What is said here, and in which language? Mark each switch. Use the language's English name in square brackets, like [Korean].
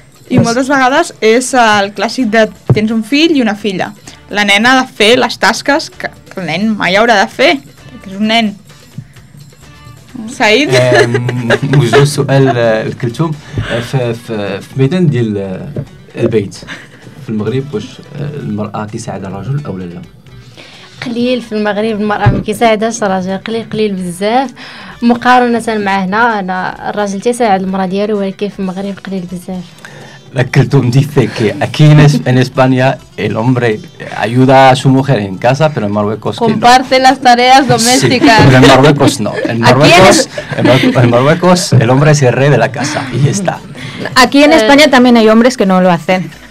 [Catalan] I moltes vegades és el clàssic de tens un fill i una filla. La nena ha de fer les tasques que el nen mai haurà de fer, perquè és un nen. [Arabic] سعيد وجه السؤال لكلتهم في ميدان ديال البيت في المغرب، واش المراه كيساعد الرجل او لا؟ قليل في المغرب المرأة ما كيساعدهاش الراجل، قليل بزاف مقارنة مع هنا. أنا الراجل تيساعد المرأة ديالو، ولكن في المغرب قليل بزاف. [Spanish] لكلتوم dice que aquí en España el hombre ayuda a su mujer en casa, pero en Marruecos comparte las tareas domésticas. Sí, pero en Marruecos no. En Marruecos el hombre es el rey de la casa y está. Aquí en España también hay hombres que no lo hacen.